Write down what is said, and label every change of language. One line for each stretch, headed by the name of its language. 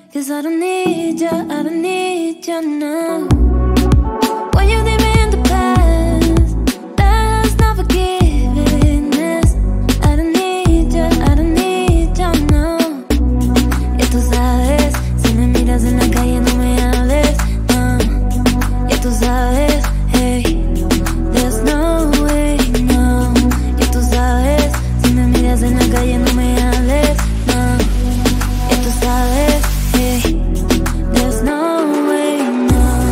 English: I don't need ya, I don't need ya now. When you leave me in the past, that's not forgiveness. I don't need ya, I don't need ya now.
Spanish: Y tú sabes, si me miras en la calle no me hables, no. Y tú sabes,
English: hey, there's no way, no.
Spanish: Y tú sabes, si me miras en la calle no me hables, no. Y tú sabes,
English: hey, there's no way, no.